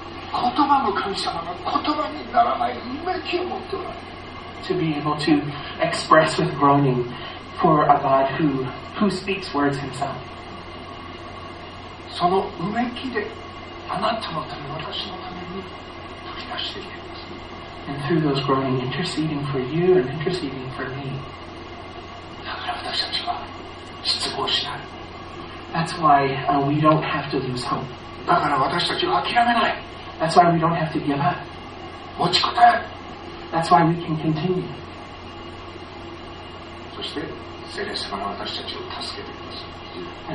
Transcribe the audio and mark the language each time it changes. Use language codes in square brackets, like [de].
[ja] 言葉の神様が言葉にならないうめきを持っておられる。 [en] To be able to express with groaning for a God who speaks words himself. [ja] そのうめきであなたのため私のために取り出していきます。 [en] And through those groaning, interceding for you and interceding for me. [ja] だから私たちは失望しない。 [en] That's why we don't have to lose hope. [ja] だから私たちは諦めない。 [en] That's why we don't have to give up. [ja] 持ちこたえ。 [en] That's why we can continue. [ja] そして聖霊様が私たちを助けてください。